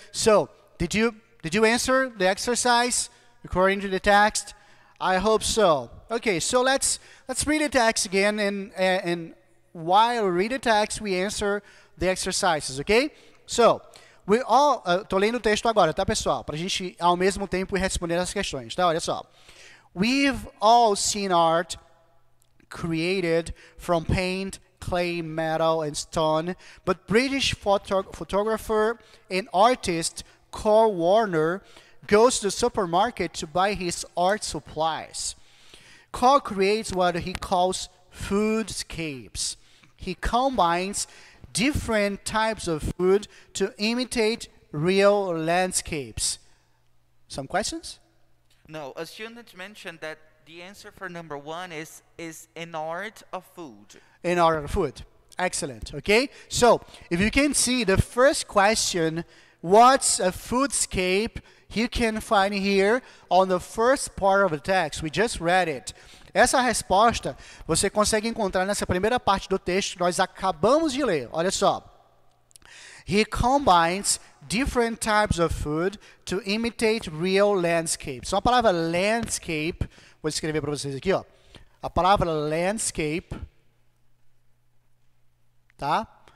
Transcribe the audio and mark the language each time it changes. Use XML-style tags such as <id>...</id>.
<en>So, did you answer the exercise according to the text? I hope so. Okay, so let's read the text again, and while we read the text, we answer the exercises, okay? So, we all</en> <pt>tô lendo o texto agora, tá, pessoal? Pra gente ao mesmo tempo responder as questões, tá? Olha só.</pt> <en>We've all seen art created from paint, clay, metal, and stone, but British photographer and artist Carl Warner goes to the supermarket to buy his art supplies. Carl creates what he calls foodscapes. He combines different types of food to imitate real landscapes. Some questions? No, a student mentioned that the answer for number one is an art of food. An art of food. Excellent. Okay? So, if you can see the first question, what's a foodscape, you can find here on the first part of the text. We just read it.</en> <pt>Essa resposta você consegue encontrar nessa primeira parte do texto que nós acabamos de ler. Olha só.</pt> <en>He combines different types of food to imitate real landscapes.</en> <pt>Só a palavra landscape, vou escrever para vocês aqui, ó. A palavra landscape, tá?</pt>